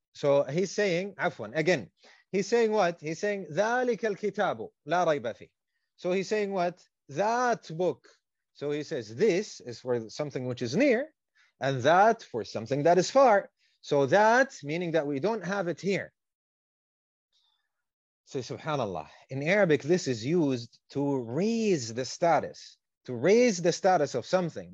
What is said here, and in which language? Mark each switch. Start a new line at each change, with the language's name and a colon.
English: So he's saying عفواً again. He's saying what? He's saying
Arabic: ذلك الكتاب لا ريب فيه.
English: So he's saying what? That book. So he says this is for something which is near, and that for something that is far. So that meaning that we don't have it here. So subhanAllah. In Arabic, this is used to raise the status, to raise the status of something.